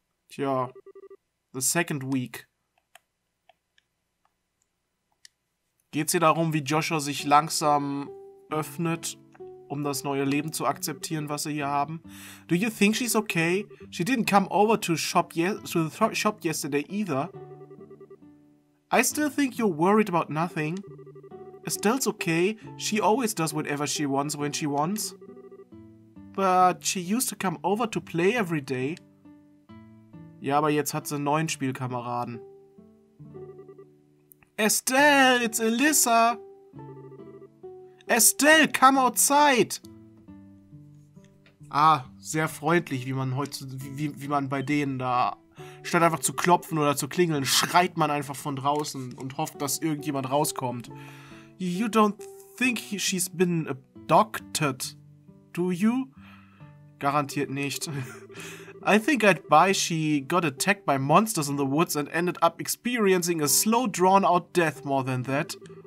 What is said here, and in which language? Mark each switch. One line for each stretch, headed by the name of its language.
English: Tja, the second week.
German: Geht's hier darum, wie Joshua sich langsam öffnet, um das neue Leben zu akzeptieren, was sie hier haben?
English: Do you think she's okay? She didn't come over to the shop yesterday either. I still think you're worried about nothing. Estelle's okay. She always does whatever she wants when she wants. But she used to come over to play every day.
German: Ja, aber jetzt hat sie neun Spielkameraden.
English: Estelle, it's Alyssa! Estelle, come outside!
German: Ah, sehr freundlich, wie man heute, wie man bei denen da, statt einfach zu klopfen oder zu klingeln, schreit man einfach von draußen und hofft, dass irgendjemand rauskommt.
English: You don't think she's been abducted, do you?
German: Garantiert nicht.
English: I think I'd buy she got attacked by monsters in the woods and ended up experiencing a slow, drawn-out death more than that.